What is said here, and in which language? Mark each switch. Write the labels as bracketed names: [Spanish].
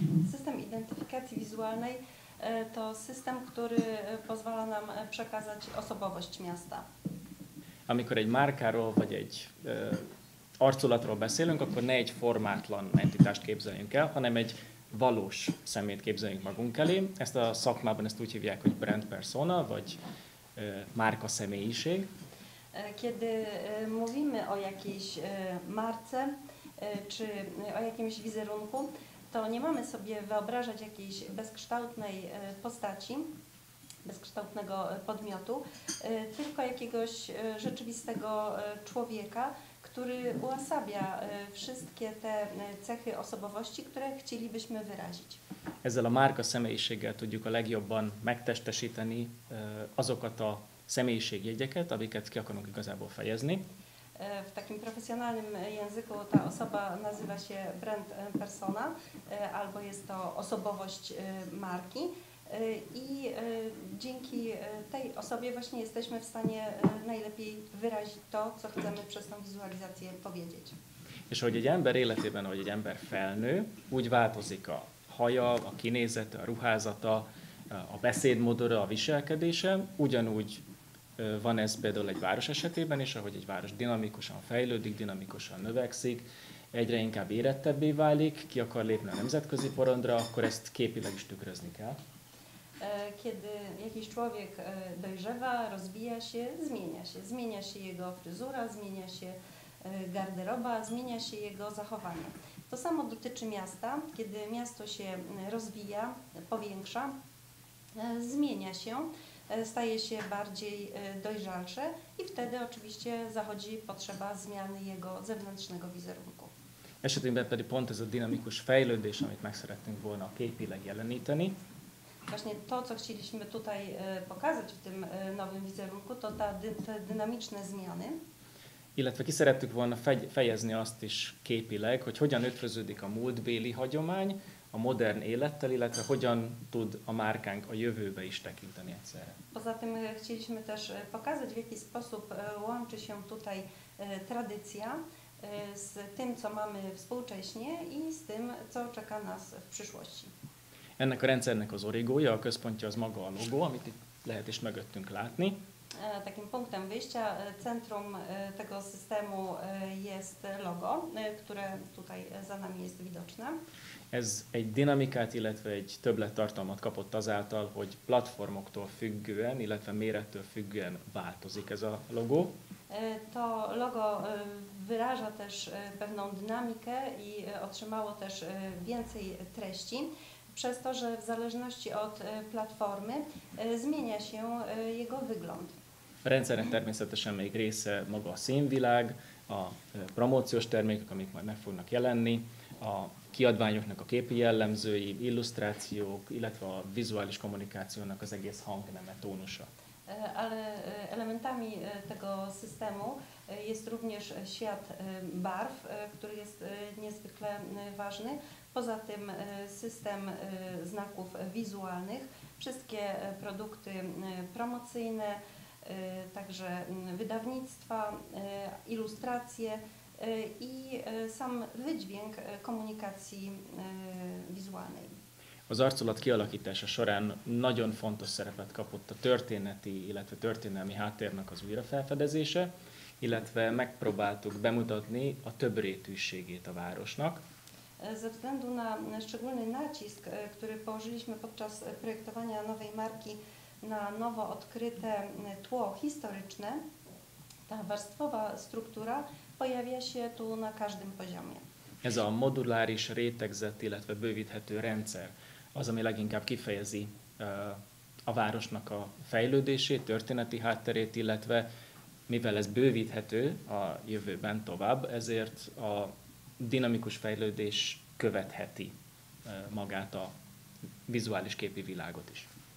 [Polish] System identyfikacji wizualnej to system, który pozwala nam przekazać osobowość miasta. [Hungarian] Amikor egy márkáról vagy egy arculatról beszélünk, akkor ne egy formátlan entitást képzeljünk el, hanem egy valós szemét képzeljünk magunk elé. Ezt a szakmában ezt úgy hívják, hogy brand persona, vagy márka személyiség. [Polish] Kiedy mówimy o jakiejś marce, czy o jakimś wizerunku, to nie mamy sobie wyobrażać jakiejś bezkształtnej postaci, bezkształtnego podmiotu, tylko jakiegoś rzeczywistego człowieka, który uosabia wszystkie te cechy osobowości, które chcielibyśmy wyrazić. [Hungarian] Ezzel a márka személyiséggel tudjuk a legjobban megtestesíteni azokat a személyiségjegyeket, amiket ki akarunk igazából fejezni. [Polish] W takim profesjonalnym języku ta osoba nazywa się brand persona, albo jest to osobowość marki. I dzięki tej osobie właśnie jesteśmy w stanie najlepiej wyrazić to, co chcemy przez tą wizualizację powiedzieć. [Hungarian] És hogy egy ember életében, hogy egy ember felnő, úgy változik a haja, a kinézete, a ruházata, a beszédmódora, a viselkedése, ugyanúgy van ez például egy város esetében is, ahogy egy város dinamikusan fejlődik, dinamikusan növekszik, egyre inkább érettebbé válik, ki akar lépni a nemzetközi porondra, akkor ezt képileg is tükrözni kell. [Polish] Kiedy jakiś człowiek dojrzewa, rozwija się, zmienia się. Zmienia się jego fryzura, zmienia się garderoba, zmienia się jego zachowanie. To samo dotyczy miasta. Kiedy miasto się rozwija, powiększa, zmienia się, staje się bardziej dojrzalsze i wtedy oczywiście zachodzi potrzeba zmiany jego zewnętrznego wizerunku. [Hungarian] Esetünkben pedig pont ez a dynamikus fejlődés, amit meg szeretnénk volna képileg jeleníteni. [Polish] Właśnie to, co chcieliśmy tutaj pokazać w tym nowym wizerunku, to te dynamiczne zmiany. [Hungarian] Illetve ki szerettük volna fejezni azt is képileg, hogy hogyan ötvöződik a múltbéli hagyomány a modern élettel, illetve hogyan tud a márkánk a jövőbe is tekinteni egyszerre. [Polish] Poza tym chcieliśmy też pokazać, w jaki sposób łączy się tutaj tradycja z tym, co mamy współcześnie i z tym, co czeka nas w przyszłości. [Hungarian] Ennek a rendszernek az origója, a központja az maga a logó, amit itt lehet is mögöttünk látni. [Polish] Takim punktem wyjścia, centrum tego systemu jest logo, które tutaj za nami jest widoczne. [Hungarian] Ez egy dinamikát, illetve egy többlettartalmat kapott azáltal, hogy platformoktól függően, illetve mérettől függően változik ez a logó. [Polish] To logo wyraża też pewną dynamikę i otrzymało też więcej treści, przez to, że w zależności od platformy zmienia się jego wygląd. [Hungarian] Rendszeren természetesen még része maga a színvilág, a promóciós termékek, amik majd meg fognak jelenni, a kiadványoknak a képi jellemzői, illusztrációk, illetve a vizuális kommunikációnak az egész hangneme, tónusa. [Polish] Ale elementami tego systemu jest również świat barw, który jest niezwykle ważny. Poza tym system znaków wizualnych, wszystkie produkty promocyjne, także wydawnictwa, ilustracje i sam wydźwięk komunikacji wizualnej. [Hungarian] Az arculat kialakítása során nagyon fontos szerepet kapott a történeti, illetve történelmi háttérnek az újrafelfedezése, illetve megpróbáltuk bemutatni a többrétűségét a városnak. [Polish] Ze względu na szczególny nacisk, który położyliśmy podczas projektowania nowej marki na nowo odkryte tło historyczne, ta warstwowa struktura pojawia się tu na każdym poziomie. [Hungarian] Ez a moduláris, rétegzett, illetve bővíthető rendszer az, ami leginkább kifejezi a városnak a fejlődését, történeti hátterét, illetve mivel ez bővíthető a jövőben tovább, ezért a dinamikus fejlődés követheti magát a vizuális képi világot is.